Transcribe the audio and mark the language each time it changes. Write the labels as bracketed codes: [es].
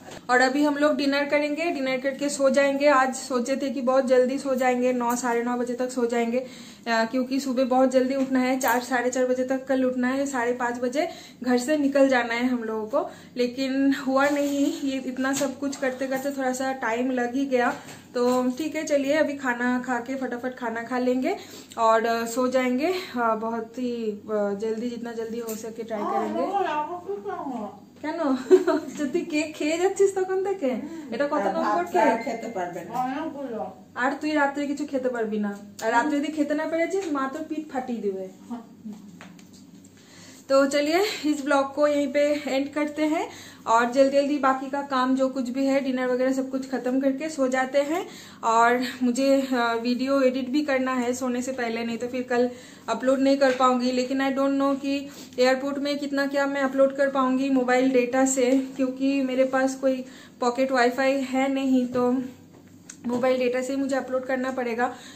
[hi] और अभी हम लोग डिनर करेंगे, डिनर करके सो जाएंगे। आज सोचे थे कि बहुत जल्दी सो जाएंगे, 9:30 बजे तक सो जाएंगे, क्योंकि सुबह बहुत जल्दी उठना है, 4:30 बजे तक कल उठना है, 5:30 बजे घर से निकल जाना है हम लोगों को, लेकिन हुआ नहीं। ये इतना सब कुछ करते करते थोड़ा सा टाइम लग ही गया, तो ठीक है चलिए अभी खाना खा के फटाफट खाना खा लेंगे और सो जाएंगे, बहुत ही जल्दी जितना जल्दी हो सके ट्राई करेंगे। [bn] কেন যদি কেক খেয়ে যাচ্ছিস তখন থেকে এটা কত নম্বর কেক খেতে পারবে না আর তুই রাতে কিছু খেতে পারবি না আর রাতে যদি খেতে না পেরেছিস মা তোর পিঠ ফাটিয়ে দিবে। [hi] तो चलिए इस ब्लॉग को यहीं पे एंड करते हैं और जल्दी जल्दी बाकी का काम जो कुछ भी है डिनर वगैरह सब कुछ खत्म करके सो जाते हैं, और मुझे वीडियो एडिट भी करना है सोने से पहले, नहीं तो फिर कल अपलोड नहीं कर पाऊंगी। लेकिन आई डोंट नो कि एयरपोर्ट में कितना क्या मैं अपलोड कर पाऊंगी मोबाइल डेटा से, क्योंकि मेरे पास कोई पॉकेट वाईफाई है नहीं, तो मोबाइल डेटा से ही मुझे अपलोड करना पड़ेगा।